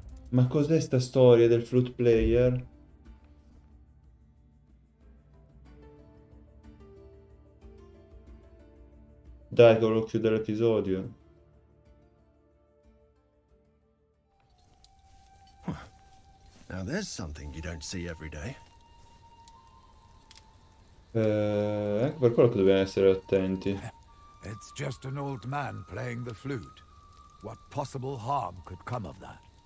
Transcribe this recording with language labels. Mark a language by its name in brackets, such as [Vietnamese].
[Italian] Ma cos'è sta storia del [English] flute player? [Italian] Dai, che volevo chiudere l'episodio. [English] Now there's something you don't see every day. [Italian] Ecco per quello che dobbiamo essere attenti. [English] It's just an old man playing the flute. What possible harm could come of that?